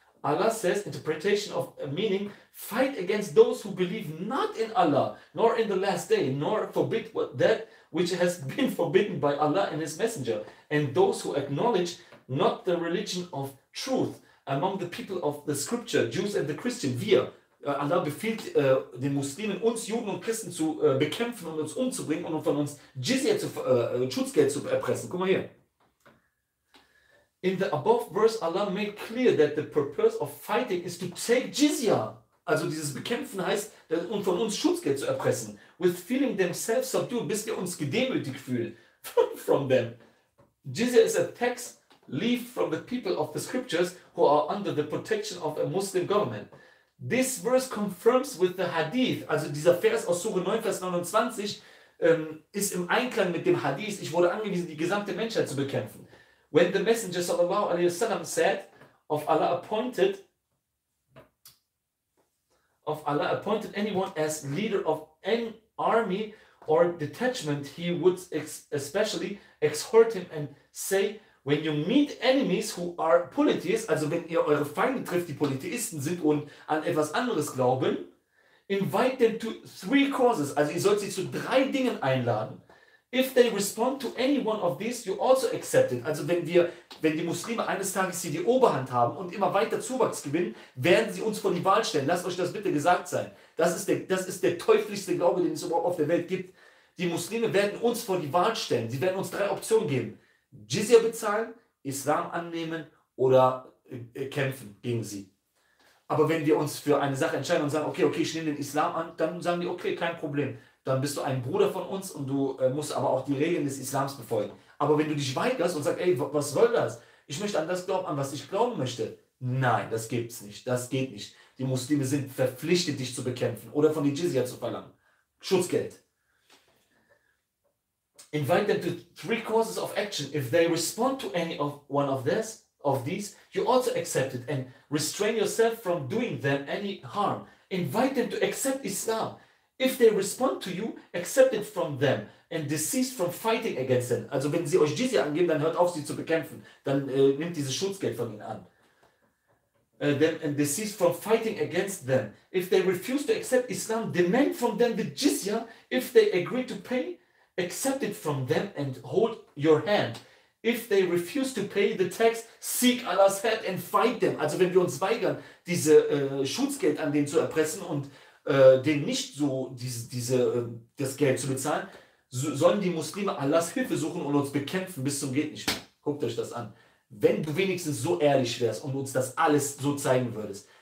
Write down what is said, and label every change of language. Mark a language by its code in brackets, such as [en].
[en] Allah says, interpretation of meaning, fight against those who believe not in Allah, nor in the last day, nor forbid that which has been forbidden by Allah and his messenger, and those who acknowledge not the religion of truth among the people of the scripture, Jews and the Christian, wir. [de] Allah befiehlt den Muslimen, uns Juden und Christen zu bekämpfen und uns umzubringen und von uns Jizya Schutzgeld zu erpressen. Guck mal hier. [en] In the above verse, Allah made clear that the purpose of fighting is to take Jizya. [de] Also dieses Bekämpfen heißt, dass, und von uns Schutzgeld zu erpressen. [en] With feeling themselves subdued, [de] bis wir uns gedemütigt fühlen [en] from them. Jizya is a tax levied from the people of the scriptures who are under the protection of a Muslim government. This verse confirms with the Hadith, [de] also dieser Vers aus Surah 9, Vers 29, ist im Einklang mit dem Hadith, ich wurde angewiesen, die gesamte Menschheit zu bekämpfen. [en] When the Messenger [ar] sallallahu alaihi wasallam [en] said, of Allah appointed anyone as leader of an army or detachment, he would especially exhort him and say, when you meet enemies who are polytheists, [de] also wenn ihr eure Feinde trifft, die Polytheisten sind und an etwas anderes glauben, [en] invite them to three causes. [de] Also ihr sollt sie zu drei Dingen einladen. [en] If they respond to any one of these, you also accept it. [de] Also wenn die Muslime eines Tages hier die Oberhand haben und immer weiter Zuwachs gewinnen, werden sie uns vor die Wahl stellen. Lasst euch das bitte gesagt sein. Das ist der teuflischste Glaube, den es überhaupt auf der Welt gibt. Die Muslime werden uns vor die Wahl stellen. Sie werden uns drei Optionen geben. Jizya bezahlen, Islam annehmen oder kämpfen gegen sie. Aber wenn wir uns für eine Sache entscheiden und sagen, okay, ich nehme den Islam an, dann sagen die, okay, kein Problem. Dann bist du ein Bruder von uns und du musst aber auch die Regeln des Islams befolgen. Aber wenn du dich weigerst und sagst, ey, was soll das? Ich möchte an das glauben, an was ich glauben möchte. Nein, das gibt's nicht. Das geht nicht. Die Muslime sind verpflichtet, dich zu bekämpfen oder von den Jizya zu verlangen. Schutzgeld. [en] Invite them to three courses of action. If they respond to any of one of this, of these, you also accept it and restrain yourself from doing them any harm. Invite them to accept Islam. If they respond to you, accept it from them and desist from fighting against them. [de] Also wenn sie euch Jizya angeben, dann hört auf, sie zu bekämpfen. Dann nimmt dieses Schutzgeld von ihnen an. [en] Them and desist from fighting against them. If they refuse to accept Islam, demand from them the Jizya. If they agree to pay, accept it from them and hold your hand. If they refuse to pay the tax, seek Allah's head and fight them. [de] Also wenn wir uns weigern, diese Schutzgeld an denen zu erpressen und denen nicht so das Geld zu bezahlen, so sollen die Muslime Allahs Hilfe suchen und uns bekämpfen bis zum Gehtnichtmehr. Guckt euch das an. Wenn du wenigstens so ehrlich wärst und uns das alles so zeigen würdest.